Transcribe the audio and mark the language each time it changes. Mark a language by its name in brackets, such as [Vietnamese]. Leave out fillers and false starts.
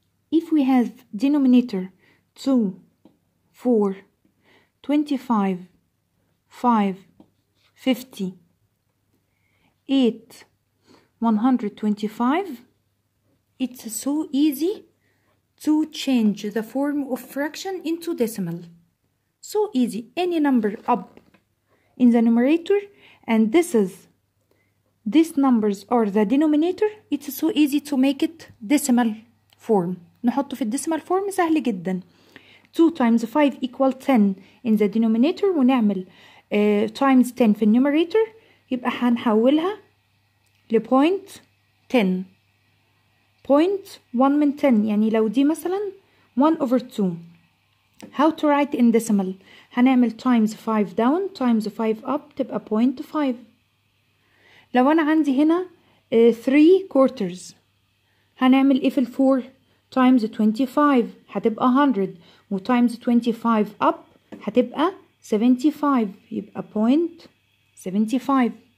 [English] If we have denominator 2, 4, 25, 5, 50, 8, 125, it's so easy to change the form of fraction into decimal. So easy, any number up in the numerator, and these numbers are the denominator, it's so easy to make it decimal form. [Arabic] نحطه في decimal form سهل جدا. [English] 2 times 5 equals 10 in the denominator, [Arabic] ونعمل [English] times 10 في numerator, [Arabic] يبقى هنحولها [English] لpoint 10. [Arabic] Point 1 من 10, يعني لو دي مثلا 1 over 2. [English] How to write in decimal? [Arabic] هنعمل times 5 down times 5 up تبقى 0.5. لو أنا عندي هنا 3 quarters هنعمل إيه في 4 times 25 هتبقى 100 و times 25 up هتبقى 75 يبقى 0.75.